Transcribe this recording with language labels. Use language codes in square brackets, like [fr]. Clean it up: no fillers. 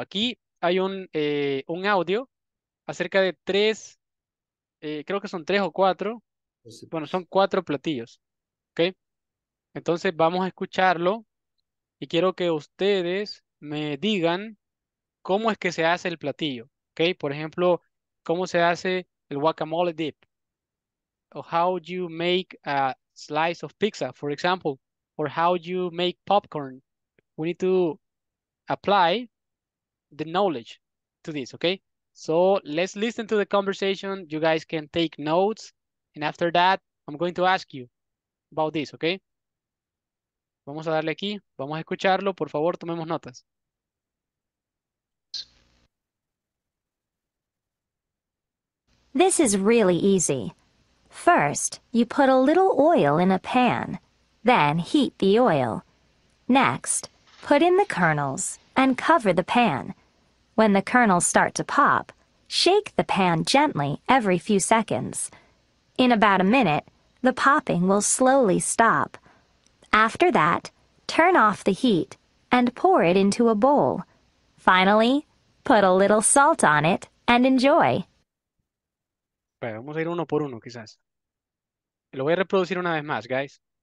[es] Aquí hay un audio acerca de tres, creo que son tres o cuatro. Bueno, son cuatro platillos, okay. Entonces vamos a escucharlo y quiero que ustedes me digan cómo es que se hace el platillo, ¿ok? Por ejemplo, cómo se hace el guacamole dip. [en] O how you make a slice of pizza, for example. Or how you make popcorn. We need to apply the knowledge to this, ¿ok? So let's listen to the conversation. You guys can take notes. And after that, I'm going to ask you about this, ¿ok? [es] Vamos a darle aquí, vamos a escucharlo, por favor, tomemos notas. [en] This is really easy. First, you put a little oil in a pan, then heat the oil. Next, put in the kernels and cover the pan. When the kernels start to pop, shake the pan gently every few seconds. In about a minute, the popping will slowly stop. After that, turn off the heat and pour it into a bowl. Finally, put a little salt on it and enjoy. [es] Bueno, vamos a ir uno por uno, quizás. Lo voy a reproducir una vez más, guys.